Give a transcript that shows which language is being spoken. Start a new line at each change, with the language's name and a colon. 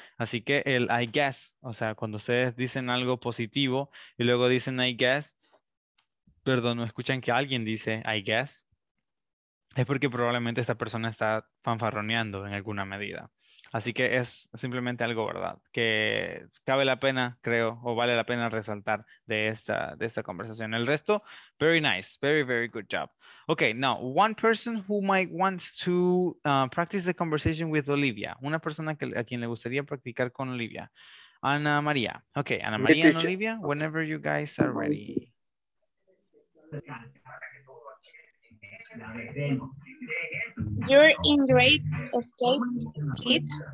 Spanish: Así que el I guess, o sea, cuando ustedes dicen algo positivo y luego dicen I guess, perdón, no escuchan que alguien dice I guess, es porque probablemente esta persona está fanfarroneando en alguna medida. Así que es simplemente algo, ¿verdad? Que cabe la pena, creo, o vale la pena resaltar de esta conversación. El resto,
English: very nice. Very, very good job. Okay, now, one person who might want to practice the conversation with Olivia.
Spanish: Una persona que, a quien le gustaría practicar con Olivia. Ana María.
English: Okay, Ana María and Olivia, whenever you guys are ready. You're in great escape, Kit.